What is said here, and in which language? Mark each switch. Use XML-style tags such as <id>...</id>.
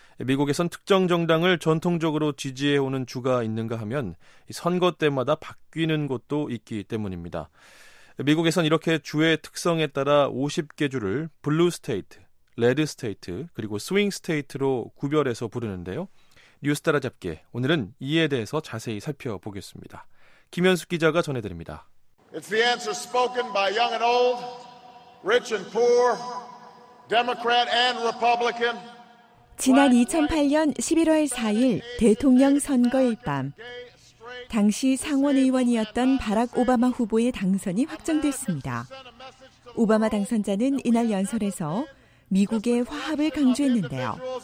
<ko>미국에선 특정 정당을 전통적으로 지지해오는 주가 있는가 하면 선거 때마다 바뀌는 곳도 있기 때문입니다. 미국에선 이렇게 주의 특성에 따라 50개 주를 블루 스테이트, 레드 스테이트, 그리고 스윙 스테이트로 구별해서 부르는데요. 뉴스 따라잡기, 오늘은 이에 대해서 자세히 살펴보겠습니다. 김현숙 기자가 전해드립니다.</ko> <en>It's the answer spoken by young and old, rich and poor, Democrat and Republican.</en> <ko>지난 2008년 11월 4일 대통령 선거일 밤 당시 상원의원이었던 바락 오바마 후보의 당선이 확정됐습니다. 오바마 당선자는 이날 연설에서 미국의 화합을 강조했는데요.</ko>